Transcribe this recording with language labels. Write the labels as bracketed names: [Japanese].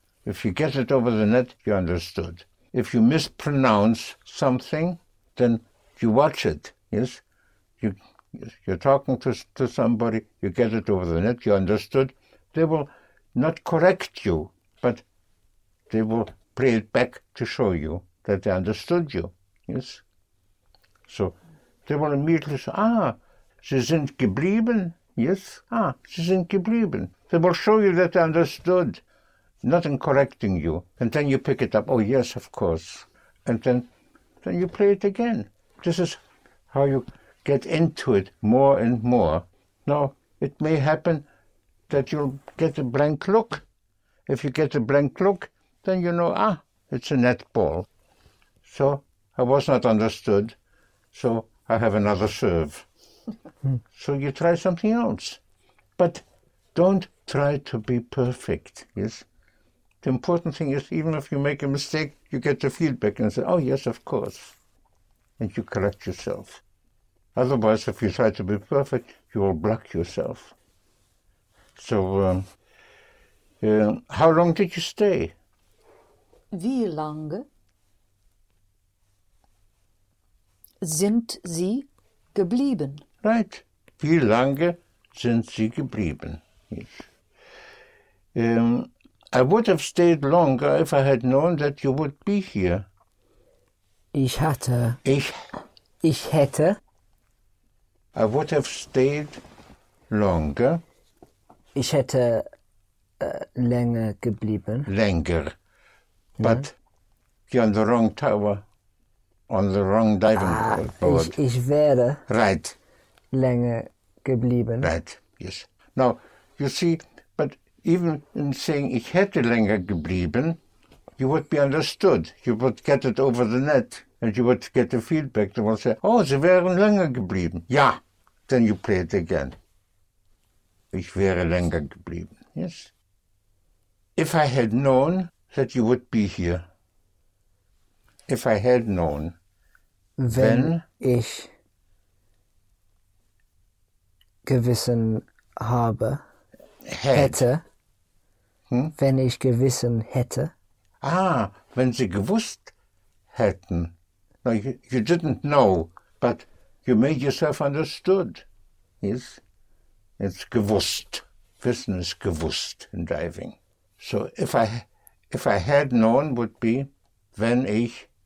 [English] If you get it over the net, you understood. If you mispronounce something, then you watch it, yes? You're talking to somebody, you get it over the net, you understood. They will not correct you, but they will play it back to show you that they understood you, yes? So they will immediately say, ah, [German] sie sind geblieben. [English] Yes? [German] Ah, sie sind geblieben. [English] They will show you that they understood, not in correcting you. And then you pick it up. Oh, yes, of course. And then you play it again. This is how you get into it more and more. Now, it may happen that you'll get a blank look. If you get a blank look, then you know, ah, it's a netball. So, I was not understood, so I have another serve. So you try something else. But don't try to be perfect, yes? The important thing is, even if you make a mistake, you get the feedback and say, oh, yes, of course. And you correct yourself. Otherwise, if you try to be perfect, you will block yourself. So, how long did you stay? [German] Wie lange sind Sie geblieben? [English] Right. [German] Wie lange sind Sie geblieben? [English] Yes. I would have stayed longer if I had known that you would be here. I would have stayed longer. [German] Ich hätte länger geblieben. Länger. [English] But you're on the wrong tower, on the wrong diving board. [German] Ich wäre [English] right. [German] Länger geblieben. [English] Right, yes. Now, you see, but even in saying [German] ich hätte länger geblieben, [English] you would be understood. You would get it over the net and you would get the feedback. They would say, oh, [German] sie wären länger geblieben. Ja, [English] then you play it again. [German] Ich wäre länger geblieben, [English] yes. If I had known that you would be here. If I had known. [German] Wenn ich gewissen habe, hätte. Wenn ich gewissen hätte. Ah, wenn sie gewusst hätten. [English] No, you didn't know, but you made yourself understood, yes. It's gewusst. [German] Wissen ist gewusst [English] in diving. So if I had known would be [German] wenn ich